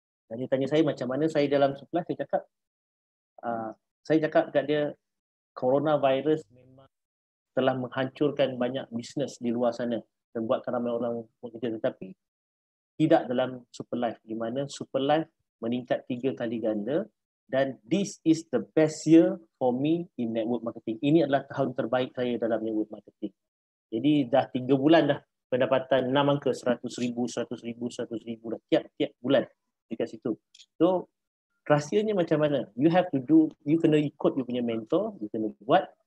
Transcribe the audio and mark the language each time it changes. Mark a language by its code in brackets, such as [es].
[ms] Dan dia tanya saya, macam mana saya dalam Super Life? Saya cakap kat dia, coronavirus memang telah menghancurkan banyak bisnes di luar sana. Dan buatkan ramai orang bekerja. Tetapi, tidak dalam Super Life. Di mana Super Life meningkat 3 kali ganda. [en] Dan this is the best year for me in network marketing. [ms] Ini adalah tahun terbaik saya dalam network marketing. Jadi dah 3 bulan dah pendapatan 6 angka. 100,000, 100,000, 100,000 dah. Tiap-tiap bulan dekat situ. So, rahsianya macam mana? [en] You have to do, [ms] you kena ikut you punya mentor. You kena buat.